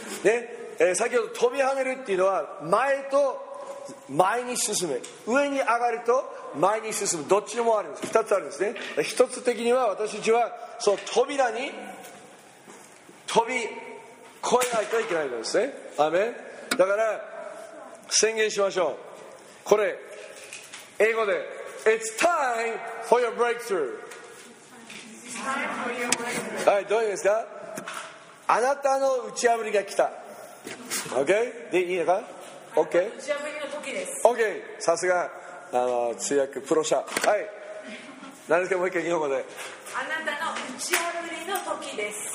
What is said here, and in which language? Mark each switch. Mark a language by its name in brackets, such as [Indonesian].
[Japanese] ね、先ほど飛び跳ねるっていうのは前と前に進め、上に上がると前に進む、どっちもあるんです。2つあるんですね。一つ的には私たちはその扉に飛び越えないといけないんですね。アーメン。だから宣言しましょう。これ英語で [English] It's time for your breakthrough。 [Japanese] はい、どういう意味ですか、あなたの打ち破りが来た。 OK? でいいのか、OK? 打ち破りの時です。 OK? さすが通訳プロ者。はい、何ですか、もう一回日本語で。あなたの打ち破りの時です。